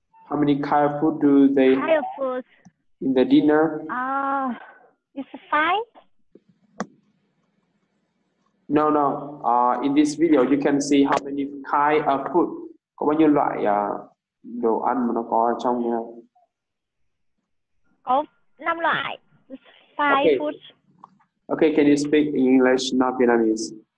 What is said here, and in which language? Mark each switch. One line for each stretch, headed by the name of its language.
English: How many kind of food do they kind have of food. In the dinner? It's five? No, no. In this video, you can see how many kind of food.
Vietnamese: Có bao nhiêu loại đồ ăn mà nó có ở trong nhà? Có 5 loại. Five okay. food.
English: Okay, can you speak in English, not Vietnamese?